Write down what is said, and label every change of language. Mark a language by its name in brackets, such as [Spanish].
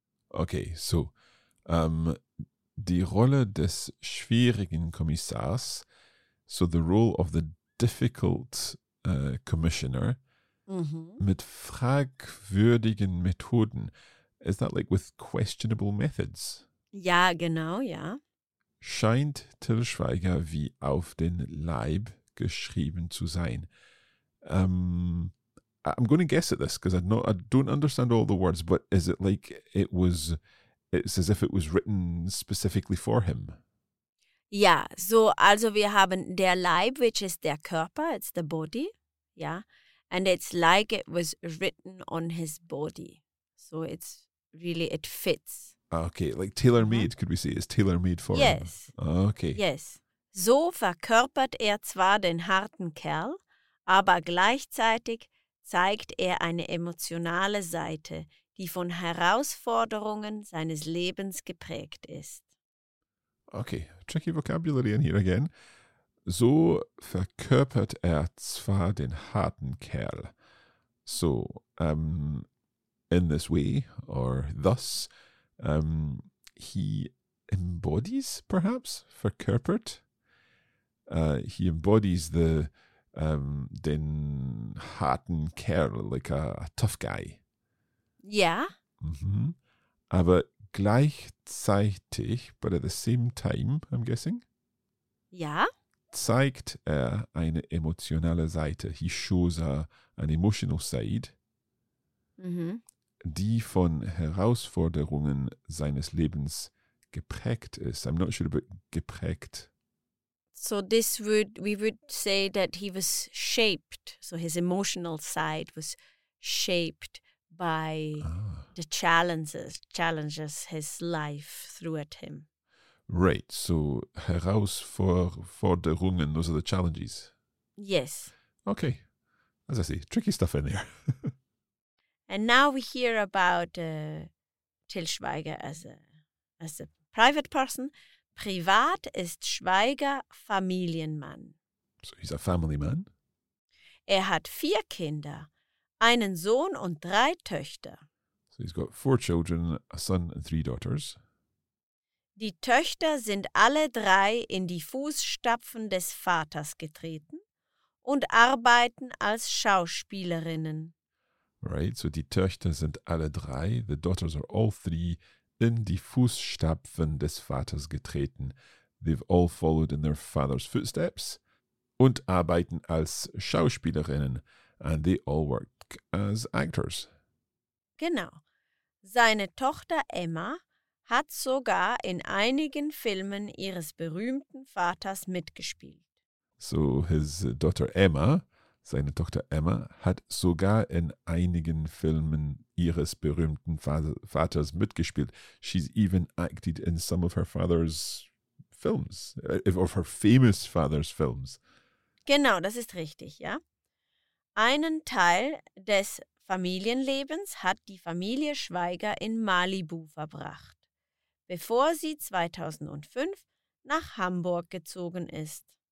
[English] Okay, so, [German] die Rolle des schwierigen Kommissars, [English] so the role of the difficult commissioner, [German] mit fragwürdigen Methoden, [English] is that like with questionable methods? [German] Ja, genau, ja. Scheint Till Schweiger wie auf den Leib geschrieben zu sein. [English] I'm going to guess at this because I don't understand all the words, but is it like it's as if it was written specifically for him? [German] Ja, so, also wir haben der Leib, [English] which is [German] der Körper, [English] it's the body, ja, and it's like it was written on his body. So it's really, it fits. Okay, like tailor-made, could we say, is tailor-made for yes. him? Yes. Okay. Yes. [German] So verkörpert zwar den harten Kerl, aber gleichzeitig zeigt eine emotionale Seite, die von Herausforderungen seines Lebens geprägt ist. [English] Okay, tricky vocabulary in here again. [German] So verkörpert zwar den harten Kerl. [English] So, in this way, or thus, he embodies, perhaps, verkörpert. He embodies the [German] den harten Kerl, [English] like a tough guy. Yeah. Mm-hmm. [German] Aber gleichzeitig, [English] but at the same time, I'm guessing. Yeah. [German] Zeigt eine emotionale Seite. [English] He shows an emotional side. Mm-hmm. [German] Die von Herausforderungen seines Lebens geprägt ist. [English] I'm not sure about geprägt. So we would say that he was shaped, so his emotional side was shaped by the challenges his life threw at him. Right, so herausforderungen, those are the challenges. Yes. Okay, as I say, tricky stuff in there. And now we hear about Til Schweiger as a private person. [German] Privat ist Schweiger Familienmann. [English] So he's a family man. [German] Er hat 4 Kinder, einen Sohn und 3 Töchter. [English] So he's got 4 children, a son and 3 daughters. [German] Die Töchter sind alle 3 in die Fußstapfen des Vaters getreten und arbeiten als Schauspielerinnen. [English] Right, so [German] die Töchter sind alle 3, [English] the daughters are all 3, [German] in die Fußstapfen des Vaters getreten. [English] They've all followed in their father's footsteps [German] und arbeiten als Schauspielerinnen. [English] And they all work as actors. [German] Genau. Seine Tochter Emma hat sogar in einigen Filmen ihres berühmten Vaters mitgespielt. [English] So his daughter Emma, [German] seine Tochter Emma, hat sogar in einigen Filmen ihres berühmten Vaters mitgespielt. [English] She's even acted in some of her father's films, of her famous father's films. [German] Genau, das ist richtig, ja. Einen Teil des Familienlebens hat die Familie Schweiger in Malibu verbracht, bevor sie 2005 nach Hamburg gezogen ist.